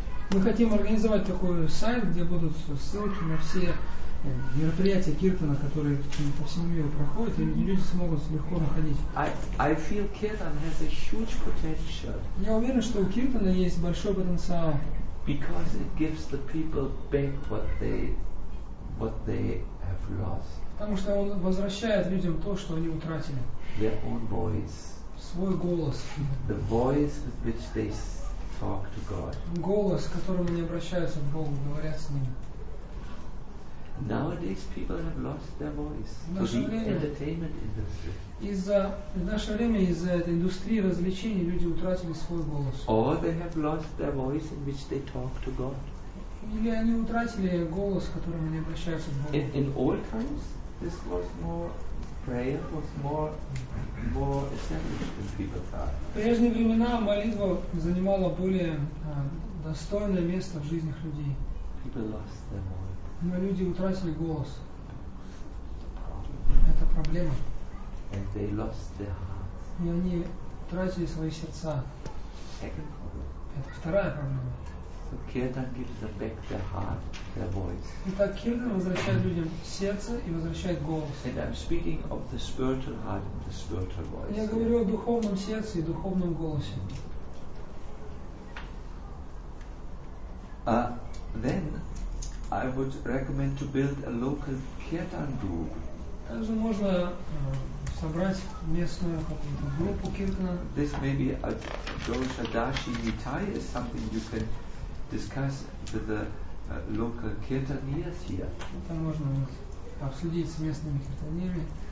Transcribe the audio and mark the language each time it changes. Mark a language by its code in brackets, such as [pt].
[ru] Мы хотим организовать такой сайт, где будут ссылки на все мероприятия киртана, которые по всему миру проходят, и люди смогут легко находить. [en] I feel kirtan has a huge potential. [ru] Я уверен, что у киртана есть большой потенциал. [en] Because it gives the people back what they have lost. [ru] Потому что он возвращает людям то, что они утратили. [en] Their own voice. [ru] Свой голос. [en] The voice with which they talk to God. [ru] Голос, которым они обращаются к Богу, говорят с ним. [en] Nowadays people have lost their voice to the entertainment industry. [ru] В наше время из-за этой индустрии развлечений люди утратили свой голос. [en] Or they have lost their voice in which they talk to God. [ru] Или они утратили голос, которым они обращаются к Богу. [en] In old times, this was more prayer was more established than people thought. [ru] В прежние времена молитва занимала более достойное место в жизни людей. [en] People lost their voice. [ru] Но люди утратили голос. Это проблема. [en] And they lost their hearts. [ru] И они утратили свои сердца. Это вторая проблема. [en] So kirtan gives them back their heart, their voice. [ru] Итак, кирдан возвращает людям сердце и возвращает голос. [en] And I'm speaking of the spiritual heart and the spiritual voice. [ru] Я говорю о духовном сердце и духовном голосе. [en] Then I would recommend to build a local kirtan group. [ru] Также можно собрать местную какую-то группу киртана. [en] This may be a dosha dashi nitai is something you can discuss with the local kirtaniers here. [ru] Это можно обсудить с местными киртанерами.